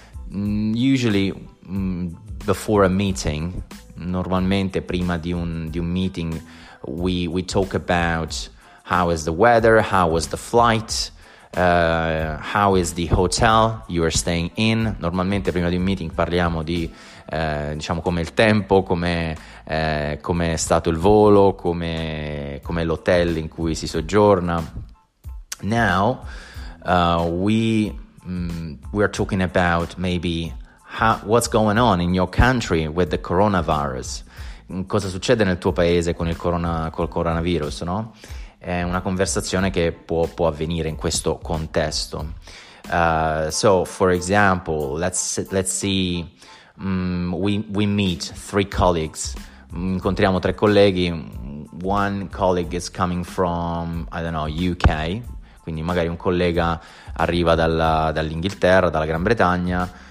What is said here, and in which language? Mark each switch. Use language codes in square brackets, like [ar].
[en] Usually, before a meeting, [it] normalmente prima di un meeting, [en] we talk about how is the weather, how was the flight, how is the hotel you are staying in? [it] Normalmente prima di un meeting parliamo di diciamo come il tempo, come è stato il volo, come l'hotel in cui si soggiorna. [en] Now we are talking about maybe what's going on in your country with the coronavirus. [it] Cosa succede nel tuo paese con il coronavirus, no? È una conversazione che può avvenire in questo contesto. [en] So for example, let's see, we meet three colleagues. [it] Incontriamo tre colleghi. [en] One colleague is coming from, I don't know, UK. [it] Quindi magari un collega arriva dall'Inghilterra, dalla Gran Bretagna.